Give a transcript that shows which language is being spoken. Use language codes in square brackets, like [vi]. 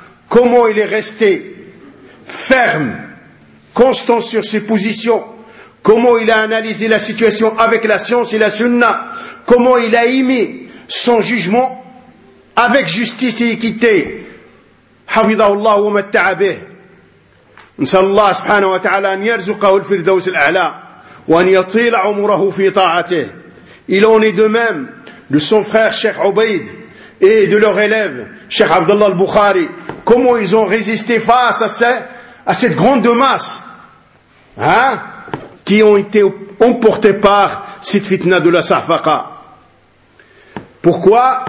[fr] Comment il est resté ferme, constant sur ses positions? Comment il a analysé la situation avec la science et la sunna? Comment il a émis son jugement avec justice et équité? [ar] Hafidhahullah wa matta'abih. نسأل الله سبحانه وتعالى أن يرزقه الفردوس الأعلى وأن يطيل عمره في طاعته. [fr] Il en est de même de son frère Cheikh Ubaid et de leur élève Cheikh Abdullah al-Bukhari. Comment ils ont résisté face à cette grande masse, hein, qui ont été emportées par cette fitna de la Safaqa. Pourquoi?